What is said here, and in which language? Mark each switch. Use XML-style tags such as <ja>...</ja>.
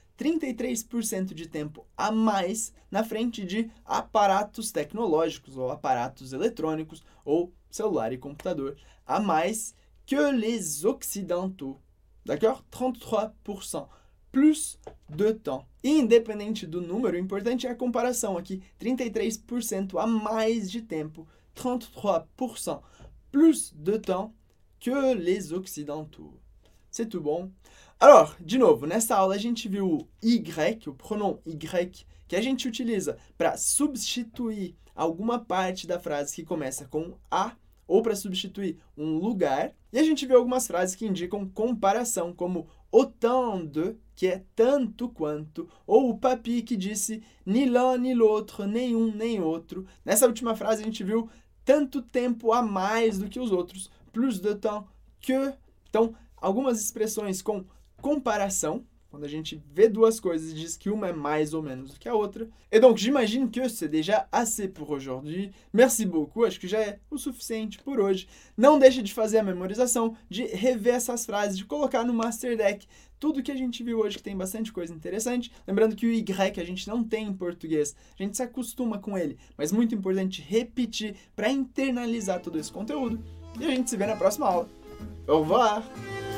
<pt>33% de tempo a mais na frente de aparatos tecnológicos, ou aparatos eletrônicos, ou celular e computador, a mais</pt> <fr>que les occidentaux. D'accord? 33% plus de temps.</fr> <pt>Independente do número, o importante é a comparação aqui. 33% a mais de tempo, 33%</pt> <fr>plus de temps que les occidentaux. C'est tout bon?</fr> <pt>Alors, de novo, nessa aula a gente viu o Y, o pronom Y, que a gente utiliza para substituir alguma parte da frase que começa com A, ou para substituir um lugar. E a gente viu algumas frases que indicam comparação, como autant de, que é tanto quanto, ou o papi que disse</pt> <fr>ni l'un ni l'autre,</fr> <pt>nem um nem outro. Nessa última frase a gente viu tanto tempo a mais do que os outros, plus de temps que. Então, algumas expressões com comparação, quando a gente vê duas coisas e diz que uma é mais ou menos do que a outra.</pt> <fr>Et donc, j'imagine que c'est déjà assez pour aujourd'hui. Merci beaucoup,</fr> <pt>acho que já é o suficiente por hoje. Não deixe de fazer a memorização, de rever essas frases, de colocar no Master Deck tudo que a gente viu hoje, que tem bastante coisa interessante. Lembrando que o Y a gente não tem em português, a gente se acostuma com ele, mas muito importante repetir para internalizar todo esse conteúdo. E a gente se vê na próxima aula.</pt> <fr>Au revoir!</fr>